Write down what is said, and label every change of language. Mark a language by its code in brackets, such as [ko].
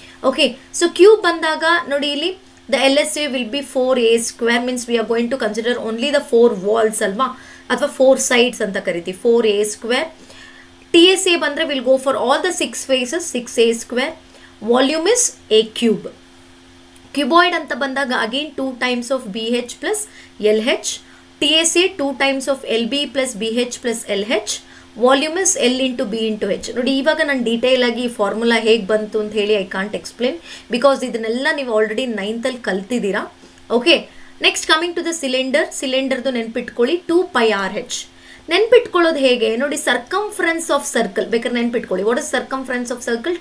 [en] okay, so cube [kn] ಬಂದಾಗ ನೋಡಿ ಇಲ್ಲಿ [en] The L S A will be 4a² means we are going to consider only the 4 walls ಅಲ್ವಾ, ಅಥವಾ 4 sides ಅಂತ ಕರಿತೀವಿ, 4a². T S A ಬಂದರೆ will go for all the 6 faces, 6a². Volume is a³. Cuboid ಅಂತ ಬಂದಾಗ again 2 times of bh plus lh. TSA 2 times of LB plus BH plus LH. Volume is L into B into H. [kn] ನೋಡಿ ಇವಾಗ ನಾನು detail ಆಗಿ formula ಹೇಗೆ ಬಂತು ಅಂತ ಹೇಳಿ [en] I can't explain, because [kn] ಇದನ್ನೆಲ್ಲ ನೀವು already 9th ಕಲ್ತಿದ್ದೀರಾ. [en] Okay, next coming to the cylinder. ಸಿಲಿಂಡರ್ದು ನೆನ್ಪಿಟ್ಕೊಳ್ಳಿ 2πRH. [kn] ನೆನ್ಪಿಟ್ಕೊಳ್ಳೋದು ಹೇಗೆ ನೋಡಿ, [en] Circumference of circle ಬೇಕಾದ್ರೆ ನೆನ್ಪಿಟ್ಕೊಳ್ಳಿ, what is circumference of circle?